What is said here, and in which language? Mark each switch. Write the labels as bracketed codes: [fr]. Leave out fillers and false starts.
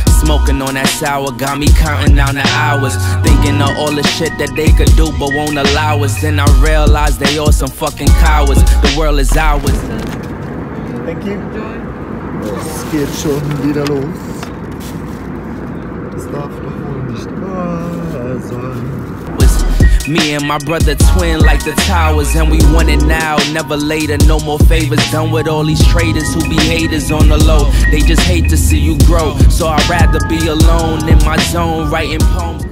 [en] Smoking on that sour, got me counting down the hours. Thinking of all the shit that they could do but won't allow us. Then I realize they all some fucking cowards. The world is ours. Thank you. [de] Es geht schon wieder los. Es darf doch wohl nicht wahr sein. [en] Me and my brother twin like the towers and we want it now, never later, no more favors. Done with all these traitors who be haters on the low. They just hate to see you grow, so I'd rather be alone in my zone writing poems.